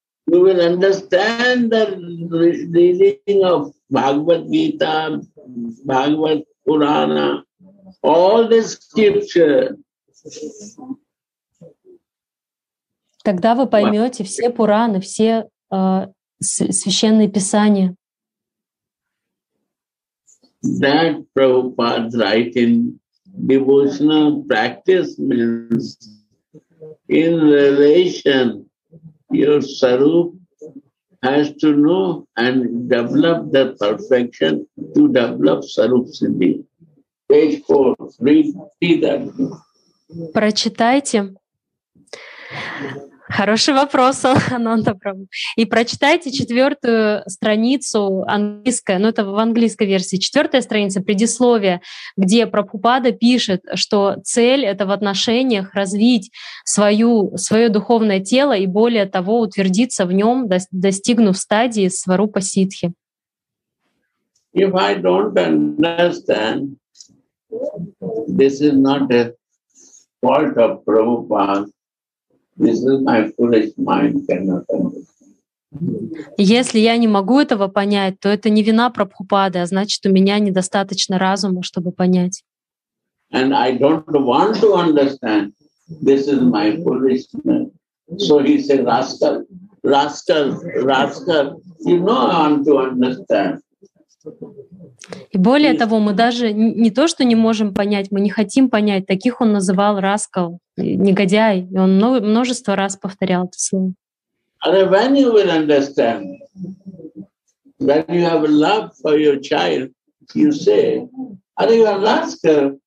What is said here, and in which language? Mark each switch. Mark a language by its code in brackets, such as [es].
[en] You will understand the reading of Bhagavad Gita, Bhagavad Purana. All the scriptures [ru] Тогда вы поймете все Пураны, все священные писания. [en] That Prabhupada's writing devotional practice means in relation your sarup has to know and develop the perfection to develop sarup siddhi. Page 4, read that. [ru] Прочитайте. Хороший вопрос, Ананда Прабху. И прочитайте четвертую страницу английская, ну это в английской версии, четвертая страница предисловия, где Прабхупада пишет, что цель — это в отношениях развить свое духовное тело и более того утвердиться в нем, достигнув стадии сварупа ситхи. [en] If I don't understand, this is not a fault of Prabhupada. This is my foolish mind cannot understand. [ru] Если я не могу этого понять, то это не вина Прабхупады, а значит, у меня недостаточно разума, чтобы понять. [en] And I don't want to understand. This is my foolishness. So he said, rascal, rascal, rascal, you know I want to understand. [ru] И более того, мы даже не то, что не можем понять, мы не хотим понять. Таких он называл раскал, негодяй. И он множество раз повторял это слово. [en] Are when you will understand that you have love for your child, you say, are you a rascal?